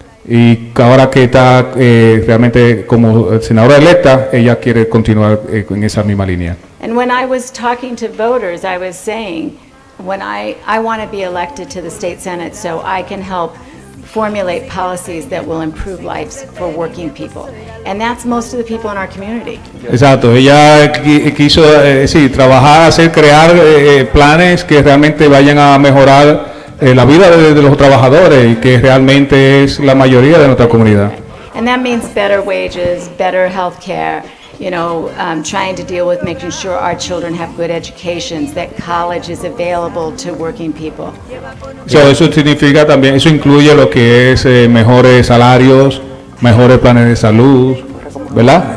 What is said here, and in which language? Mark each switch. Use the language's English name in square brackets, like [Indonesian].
[Spanish] Y ahora que está realmente como senadora electa, ella quiere continuar en esa misma línea. [English] And when I was talking to voters, I was saying, when I want to be elected to the state senate so I can help formulate policies that will improve lives for working people, and that's most of the people in our community. [Spanish] Exacto. Ella quiso sí trabajar, hacer crear planes que realmente vayan a mejorar la vida de los trabajadores, que realmente es la mayoría de nuestra comunidad. [English] And that means better wages, better health care, you know, trying to deal with making sure our children have good educations, that college is available to working people. [Spanish] So eso significa también, eso incluye lo que es mejores salarios, mejores planes de salud, ¿verdad?